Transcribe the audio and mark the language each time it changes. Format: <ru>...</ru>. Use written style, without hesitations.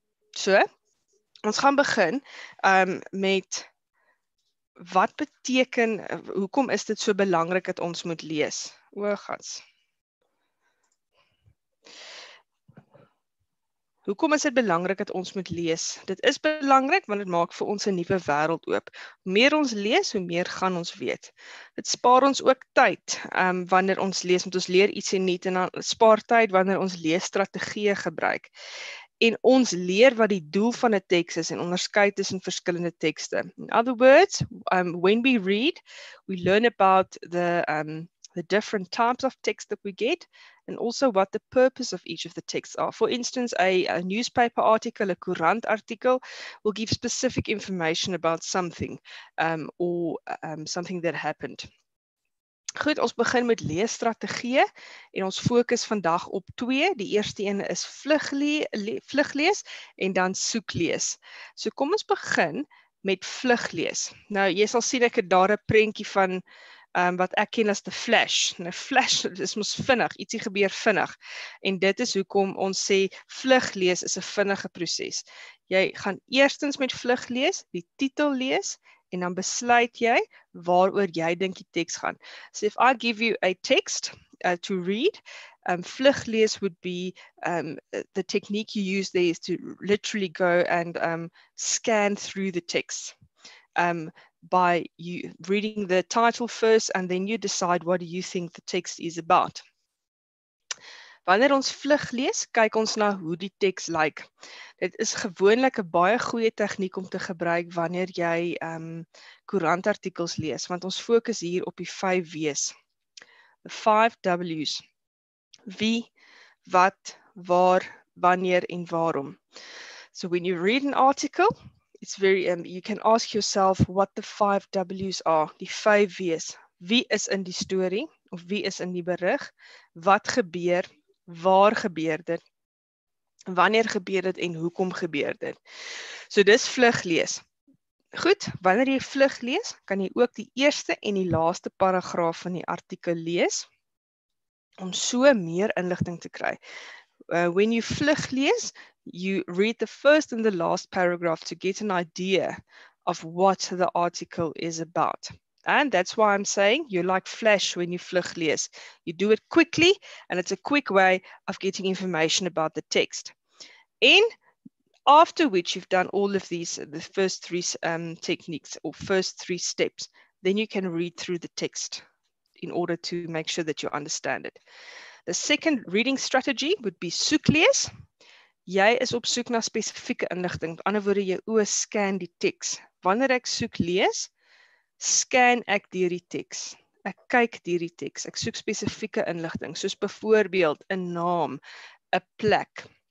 <af>So, ons gaan begin met wat beteken, hoekom is dit so belangrik dat ons moet lees? O, gats. Hoekom is dit belangrik dat ons moet lees? Dit is belangrik, want dit maak vir ons 'n nuwe wêreld oop. Hoe meer ons lees, hoe meer gaan ons weet. Dit spaar ons ook tyd wanneer ons lees, want ons leer iets nuut, en dan spaar tyd wanneer ons leesstrategieë gebruik. En ons leer wat die doel van 'n teks is en onderskei tussen verskillende tekste.</af> <en>In other words, when we read, we learn about the different types of text that we get, and also what the purpose of each of the texts are. For instance, a newspaper article, a courant article, will give specific information about something something that happened.</en> <af>Goed, ons begin met leesstrategieë en ons fokus vandag op twee. Die eerste een is vluglees en dan soeklees. So kom ons begin met vluglees. Nou, jy sal sien ek het daar 'n prentjie van wat ek ken as the flash. Nou, flash is mos vinnig, ietsie gebeur vinnig. En dit is hoekom ons sê vluglees is 'n vinnige proses. Jy gaan eerstens met vluglees die titel lees, en dan besluit jy waaroor jy dink die teks gaan.</af> <en>So if I give you a text to read, vluglees would be the technique you use there, is to literally go and scan through the text by you reading the title first, and then you decide what do you think the text is about.</en> <af>Wanneer ons vlug lees, kyk ons na hoe die teks lyk. Dit is gewoonlik 'n baie goeie tegniek om te gebruik wanneer jy koerantartikels lees, want ons fokus hier op die 5 W's.</af> <en>The 5 W's.</en> <af>Wie, wat, waar, wanneer en waarom.</af> <en>So when you read an article, it's very you can ask yourself what the 5 W's are.</en> <af>Die 5 W's. Wie is in die storie of wie is in die berig? Wat gebeur? Waar gebeur dit? Wanneer gebeur dit en hoekom gebeur dit? So dis vluglees. Goed, wanneer jy vluglees, kan jy ook die eerste en die laaste paragraaf van die artikel lees om so meer inligting te kry.</af> <en>When you vluglees, you read the first and the last paragraph to get an idea of what the article is about. And that's why I'm saying you're like flash when you vlug lees. You do it quickly and it's a quick way of getting information about the text. And after which you've done all of these, the first three techniques or first three steps, then you can read through the text in order to make sure that you understand it. The second reading strategy would be soek lees.</en> <af>Jy is op soek na spesifieke inligting. Met ander woorde, jy oë scan die teks. Wanneer ek soek lees, scan ek deur die teks. Ek kyk deur die teks. Ek soek spesifieke inligting, soos byvoorbeeld 'n naam, 'n plek.</af>